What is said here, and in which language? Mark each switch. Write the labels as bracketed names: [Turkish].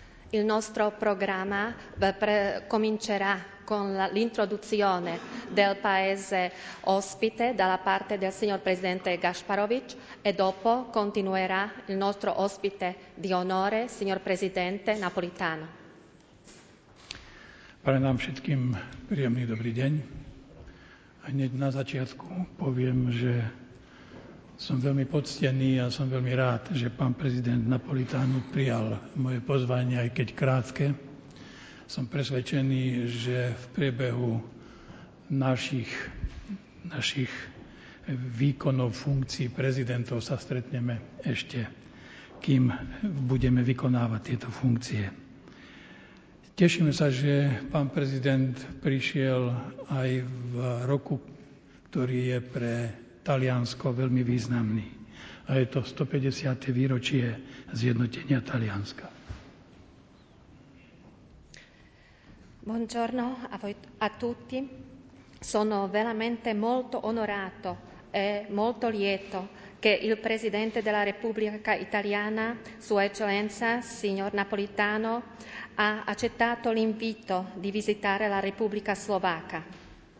[Italian] Il nostro programma comincerà con l'introduzione del paese ospite dalla parte del signor presidente Gašparovič e dopo continuerà il nostro ospite di onore, signor presidente Napolitano. [Slovak] Pre nám všetkým príjemný dobrý deň. Hneď na začiatku poviem, že som veľmi poctený a som veľmi rád, že pán prezident Napolitano prijal moje pozvanie, aj keď krátke. Som presvedčený, že v priebehu našich výkonov funkcií prezidentov sa stretneme ešte, kým budeme vykonávať tieto funkcie. Tešíme sa, že pán prezident prišiel aj v roku, ktorý je pre Taliansko veľmi významný. A je to 150. výročie zjednotenia Talianska. [Italian] Buongiorno a voi a tutti. Sono veramente molto onorato e molto lieto che il presidente della Repubblica Italiana, sua eccellenza signor Napolitano, ha accettato l'invito di visitare la Repubblica Slovacca.